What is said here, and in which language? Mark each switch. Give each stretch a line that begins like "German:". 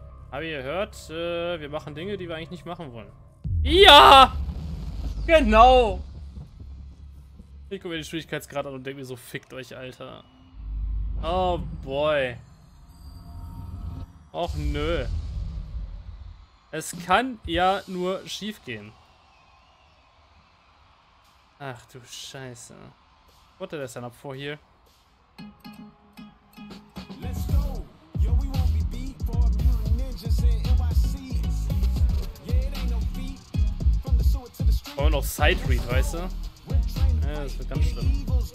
German: Hab ihr gehört? Wir machen Dinge, die wir eigentlich nicht machen wollen. Ja! Genau! Ich gucke mir den Schwierigkeitsgrad an und denke mir so, fickt euch, Alter.
English: Oh boy.
German: Och nö. Es kann ja nur schief gehen. Ach du Scheiße.
English: What did I sign up for here? Let's go. Yo, we won't be beat for a mutant ninja in NYC. Yeah, it ain't no feat. From the sewer to the street.
German: Wollen wir noch side read, weißt du? Ja, das wird ganz schlimm.